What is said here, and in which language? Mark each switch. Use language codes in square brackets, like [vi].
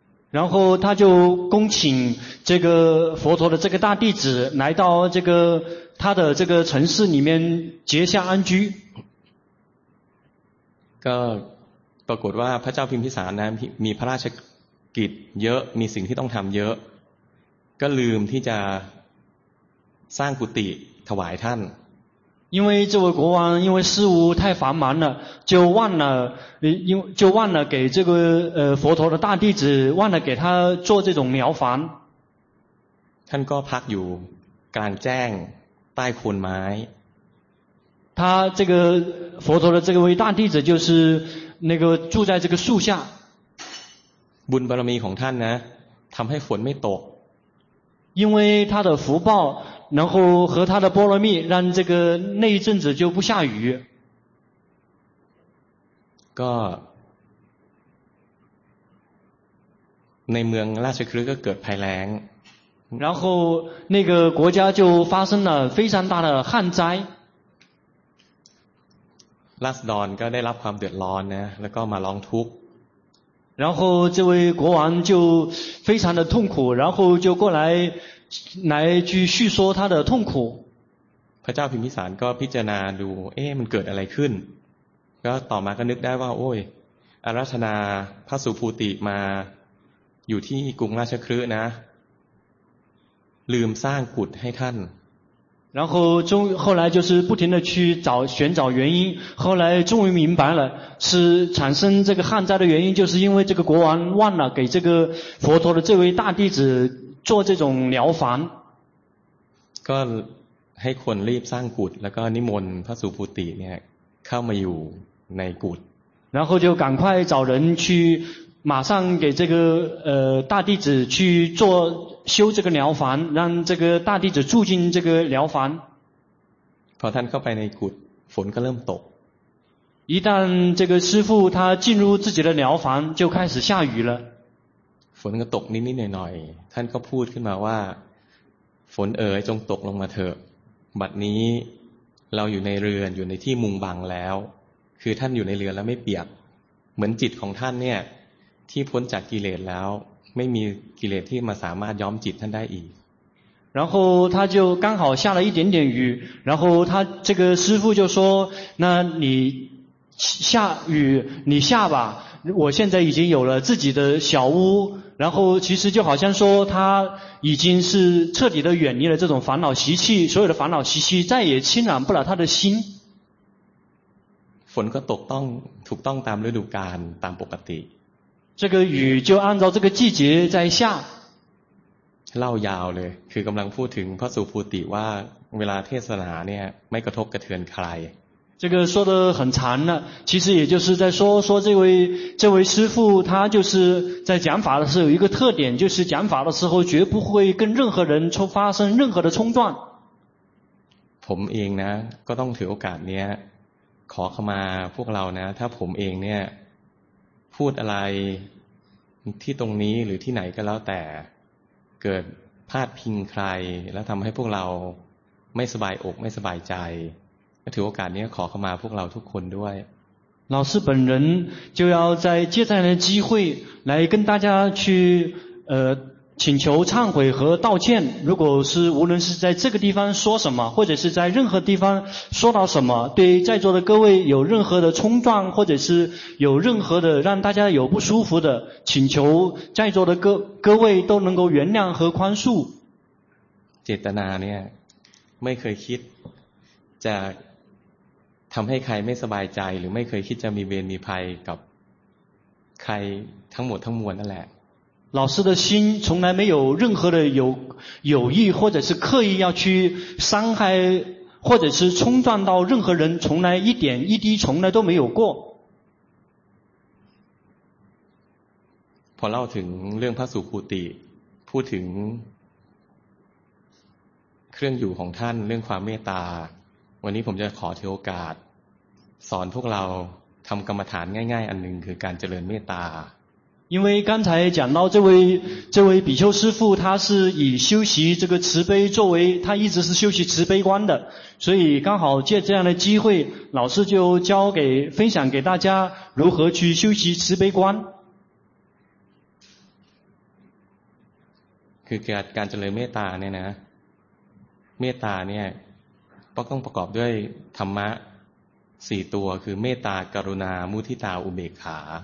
[zh] 然后他就恭请这个佛陀的这个大弟子来到这个他的这个城市里面结下安居 [th] ก็ปรากฏว่าพระเจ้าพิมพิสารนะมีพระราชกิจเยอะมีสิ่งที่ต้องทำเยอะก็ลืมที่จะสร้างกุฏิถวายท่าน [zh] 因为这位国王因为事务太繁忙了就忘了就忘了给这个佛陀的大弟子忘了给他做这种疗房 [th] ท่านก็พักอยู่กลางแจ้งใต้โคนไม้ [zh] 他这个佛陀的这位大弟子就是那个住在这个树下 [th] บุญบารมีของท่านนะทำให้ฝนไม่ตก [zh] 因为他的福报然后和他的波罗蜜让这个那一阵子就不下雨 [th] ก็ในเมืองราชคฤห์ก็เกิดภัยแล้ง [zh] 然后那个国家就发生了非常大的旱灾 [th] ราษฎรก็ได้รับความเดือดร้อนนะแล้วก็มาร้องทุกข์ [zh] 然后这位国王就非常的痛苦然后就过来去叙说他的痛苦 [th] พระเจ้าพิมพิสารก็พิจารณาดูเอ๊ะมันเกิดอะไรขึ้นก็ต่อมาก็นึกได้ว่าโอ้ยอาราธนาพระสุภูติมาอยู่ที่กรุงราชคฤห์นะลืมสร้างกุฏิให้ท่าน [zh] 然后后来就是不停的去找寻找原因后来终于明白了是产生这个旱灾的原因就是因为这个国王忘了给这个佛陀的这位大弟子做这种疗房 [th] ก็ให้คนรีบสร้างกุฏิแล้วก็นิมนต์พระสุภูติเนี่ยเข้ามาอยู่ในกุฏิ [zh] 然后就赶快找人去马上给这个大弟子去做修这个疗房让这个大弟子住进这个疗房 [th] พอท่านเข้าไปในกุฏิฝนก็เริ่มตก [zh] 一旦这个师父他进入自己的疗房就开始下雨了 [th] ฝนก็ตกนิดๆหน่อยๆท่านก็พูดขึ้นมาว่าฝนเอ๋ยจงตกลงมาเถอะบัดนี้เราอยู่ในเรือนอยู่ในที่มุงบังแล้วคือท่านอยู่ในเรือนแล้วไม่เปียกเหมือนจิตของท่านเนี่ยที่พ้นจากกิเลสแล้วไม่มีกิเลสที่มาสามารถย้อมจิตท่านได้อีก [zh] 然后他就刚好下了一点点雨然后他这个师父就说那你下雨你下吧我现在已经有了自己的小屋然后其实就好像说他已经是彻底的远离了这种烦恼习气，所有的烦恼习气再也侵染不了他的心。 [th] ฝนก็ตกต้องถูกต้องตามฤดูกาลตามปกติ [zh] 这个雨就按照这个季节在下。 [th] เล่ายาวเลยคือกำลังพูดถึงพระสุภูติว่าเวลาเทศนาเนี่ยไม่กระทบกระเทือนใคร [zh] 这个说得很长了，其实也就是在说说这位师父，他就是在讲法的时候有一个特点，就是讲法的时候绝不会跟任何人发生任何的冲撞。 [th] ผมเองนะก็ต้องถือโอกาสเนี้ยขอเข้ามาพวกเรานะถ้าผมเองเนี่ยพูดอะไรที่ตรงนี้หรือที่ไหนก็แล้วแต่เกิดพลาดพิงใครแล้วทำให้พวกเราไม่สบายอกไม่สบายใจถือโอกาสนี้ขอเข้ามาพวกเราทุกคนด้วย [zh] 老师本人就要在借这样的机会来跟大家去请求忏悔和道歉，如果是无论是在这个地方说什么，或者是在任何地方说到什么，对在座的各位有任何的冲撞，或者是有任何的让大家有不舒服的，请求在座的各位都能够原谅和宽恕。 [th] เจตนาเนี่ยไม่เคยคิดจะทำให้ใครไม่สบายใจหรือไม่เคยคิดจะมีเวรมีภัยกับใครทั้งหมดทั้งมวลนั่นแหละ [zh] 老师的心从来没有任何的有意或者是刻意要去伤害或者是冲撞到任何人从来一点一滴从来都没有过 [th] พอเล่าถึงเรื่องพระสุภูติพูดถึงเครื่องอยู่ของท่านเรื่องความเมตตาวันนี้ผมจะขอถือโอกาสสอนพวกเราทำกรรมฐานง่ายๆอันนึงคือการเจริญเมตตา [zh] 因为刚才讲到这位比丘师父他是以修习这个慈悲作为他一直是修习慈悲观的所以刚好借这样的机会老师就教给分享给大家如何去修习慈悲观 [th] คือการเจริญเมตตาเนี่ยนะเมตตาเนี่ยก็ต้องประกอบด้วยธรรมะ4ตัวคือเมตตากรุณามุทิตาอุเบกขา